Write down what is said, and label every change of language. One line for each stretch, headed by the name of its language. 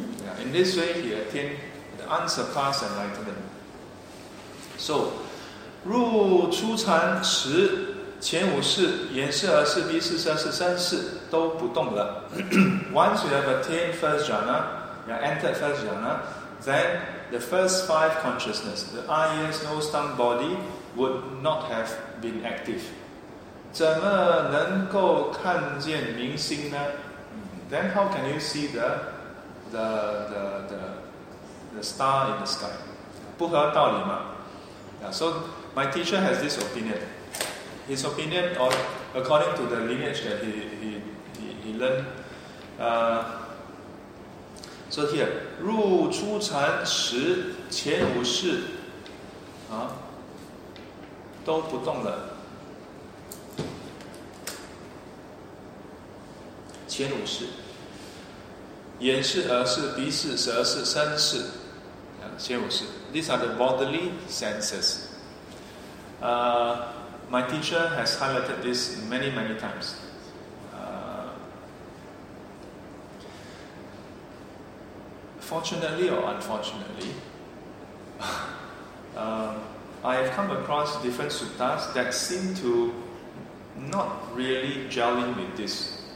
English: Yeah, in this way, he attained the unsurpassed enlightenment.
Chinese: So, 入初禅时前五识眼识而识鼻识舌识身识都不动了。
English: Once you have attained first jhana, you have entered first jhana, then the first five consciousness, the eyes, nose, tongue, body, would not have been active.
Chinese: 怎么能够看见明星呢？
English: Then how can you see the star in the sky?
Chinese: 不合道理吗？
English: Yeah, so my teacher has this opinion. His opinion, or according to the lineage that he learned. So here,
Chinese: 入初禅时前五识都不动了。前五识，眼识、耳识、鼻识、舌识、身识，前五识。
English: These are the bodily senses. My teacher has highlighted this many, many times. Fortunately or unfortunately, I have come across different suttas that seem to not really gelling with this.